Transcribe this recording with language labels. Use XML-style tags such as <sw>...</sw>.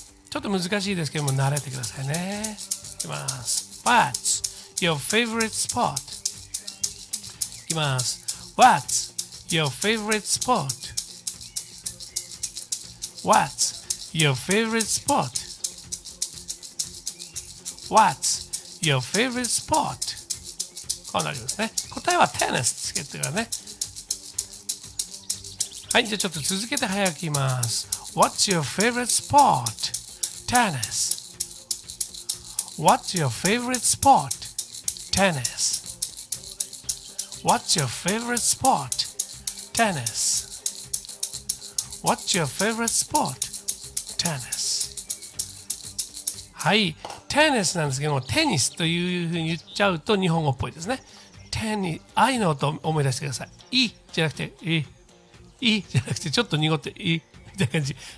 <ja>ちょっと難しいですけども慣れてくださいね。いきます。</ja> <en>What's your favorite sport?</en> <ja>いきます。</ja> <en>What's your favorite sport? What's your favorite sport? What's your favorite sport?</en> <ja>こうなりますね。答えはテニスつけてからね。はい、じゃあちょっと続けて早く言います。</ja> <en>What's your favorite sport? Tennis. What's your favorite sport? Tennis. What's your favorite sport? Tennis. What's your favorite sport? Tennis.</en> <ja>はい、テニスなんですけども、テニスというふうに言っちゃうと日本語っぽいですね。テニス、I の音を思い出してください。E じゃなくて E、いじゃなくてちょっと濁っていいみたいな感じ。</ja>